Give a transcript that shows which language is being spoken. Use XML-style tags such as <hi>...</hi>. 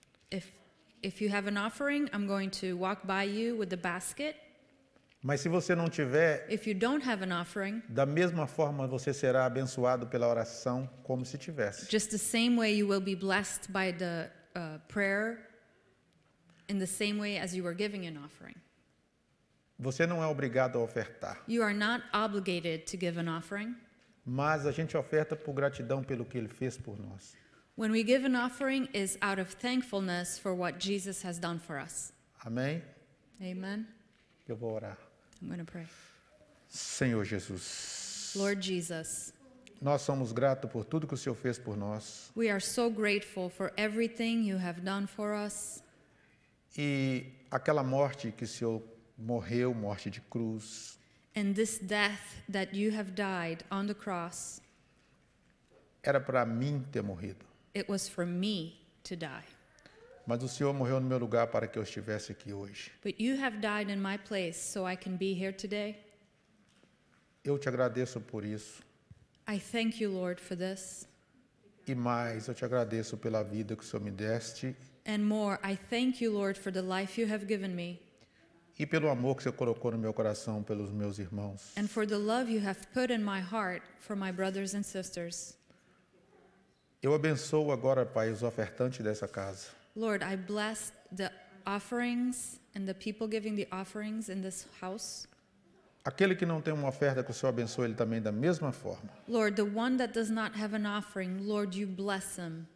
<en>If you have an offering, I'm going to walk by you with the basket.</en> <pt>Mas se você não tiver,</pt> <en>if you don't have an offering,</en> <pt>da mesma forma você será abençoado pela oração como se tivesse.</pt> <en>Just the same way you will be blessed by the prayer in the same way as you were giving an offering.</en> <pt>Você não é obrigado a ofertar.</pt> <en>You are not obligated to give an offering.</en> <pt>Mas a gente oferta por gratidão pelo que ele fez por nós.</pt> <en>When we give an offering is out of thankfulness for what Jesus has done for us.</en> <pt>Amém.</pt> <en>Amen.</en> <pt>Eu vou orar.</pt> <en>I'm going to pray.</en> <pt>Senhor Jesus.</pt> <en>Lord Jesus.</en> <pt>Nós somos gratos por tudo que o Senhor fez por nós.</pt> <en>We are so grateful for everything you have done for us.</en> <pt>E aquela morte que o Senhor morreu, morte de cruz.</pt> <en>And this death that you have died on the cross.</en> <pt>Era para mim ter morrido.</pt> <en>It was for me to die.</en> <pt>Mas o Senhor morreu no meu lugar para que eu estivesse aqui hoje.</pt> <en>But you have died in my place so I can be here today.</en> <pt>Eu te agradeço por isso.</pt> <en>I thank you, Lord, for this.</en> <pt>E mais, eu te agradeço pela vida que o Senhor me deste.</pt> <en>And more, I thank you, Lord, for the life you have given me.</en> <pt>E pelo amor que o Senhor colocou no meu coração pelos meus irmãos.</pt> <en>And for the love you have put in my heart for my brothers and sisters.</en> <pt>Eu abençoo agora, Pai, os ofertantes dessa casa.</pt> <en>Lord, I bless the offerings and the people giving the offerings in this house.</en> <pt>Aquele que não tem uma oferta, que o Senhor abençoe ele também da mesma forma.</pt> <en>Lord, the one that does not have an offering, Lord, you bless him.</en>